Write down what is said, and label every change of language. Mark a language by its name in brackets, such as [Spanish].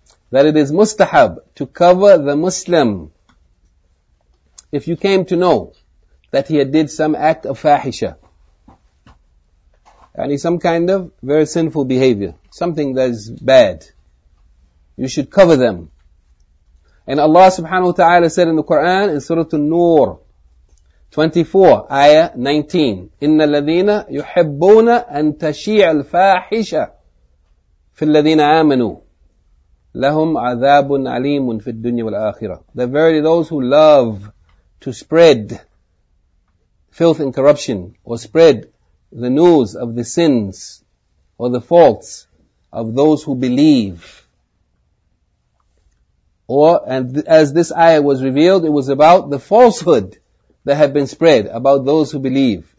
[English] That it is mustahab to cover the Muslim. If you came to know that he had did some act of fahisha, any some kind of very sinful behavior, something that is bad, you should cover them. And Allah subhanahu wa ta'ala said in the Quran, in Surah An-Nur 24, ayah 19, [Arabic] إِنَّ الَّذِينَ يُحِبُّونَ أَن تَشِيعَ الْفَاحِشَ فِي الَّذِينَ آمَنُوا لَهُمْ عَذَابٌ عَلِيمٌ فِي الدُّنْيَا وَالْآخِرَةِ. [English] They're verily those who love to spread filth and corruption, or spread the news of the sins or the faults of those who believe. As this ayah was revealed, it was about the falsehood that had been spread about those who believe.